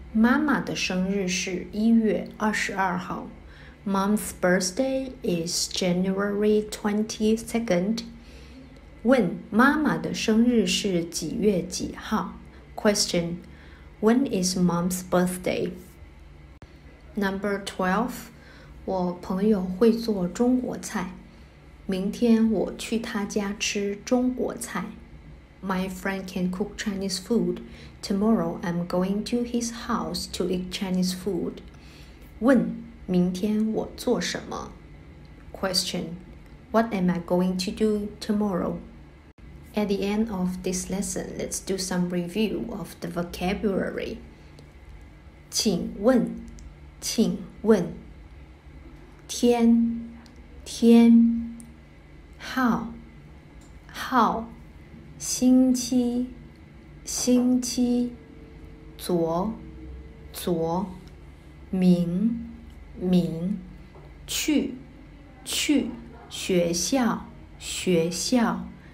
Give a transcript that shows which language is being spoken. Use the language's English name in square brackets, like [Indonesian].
[Chinese] 妈妈的生日是一月二十二号。 [English] Mom's birthday is January 22nd. [Chinese] 问妈妈的生日是几月几号？ [English] Question. When is mom's birthday? Number 12. [Chinese] 我朋友会做中国菜，明天我去他家吃中国菜。 [English] My friend can cook Chinese food. Tomorrow I'm going to his house to eat Chinese food. [Chinese] 问明天我做什么？ [English] Question. What am I going to do tomorrow? At the end of this lesson, let's do some review of the vocabulary. [Chinese] 请问，请问，天，天，号，号，星期，星期，昨，昨，明，明，去，去，学校，学校。